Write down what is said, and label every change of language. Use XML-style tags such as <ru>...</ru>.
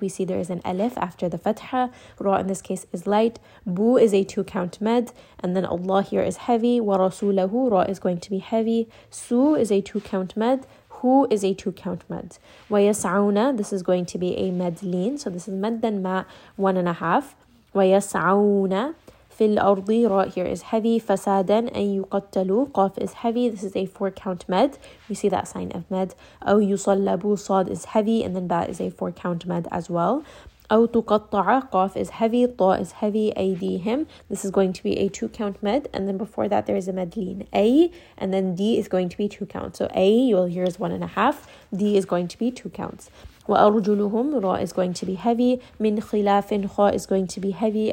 <en>We see there is an alif after the fatha. Ra in this case is light. Bu is a 2-count med. And then Allah here is heavy. Wa rasulahu, ra is going to be heavy. Su is a 2-count med. Hu is a 2-count med. Wa yas'auna, this is going to be a medleen. So this is maddan ma, 1.5.</en> <ar>وَيَسْعَوْنَ فِي الْأَرْضِ رَاءَ</ar> <en>here is heavy.</en> <ar>فَسَادًا أَن يُقَتَّلُوا قَافْ</ar> <en>is heavy. This is a 4-count med. We see that sign of med.</en> <ar>أَوْ يُصَلَّبُوا صَاد</ar> <en>is heavy. And then that is a 4-count med as well.</en> <ar>أَوْ تُقَطَّعَ قَافْ</ar> <en>is heavy. طَاء is heavy. أَيْدِيهِمْ this is going to be a 2-count med. And then before that there is a medleen. A and then D is going to be 2 counts. So A you will hear is 1.5. D is going to be 2 counts.</en> <ar>وَأَرْجُلُهُمْ رَاءَ</ar> <en>is going to be heavy.</en> <ar>مِنْ خِلَافٍ خَاءَ</ar> <en>is going to be heavy.</en>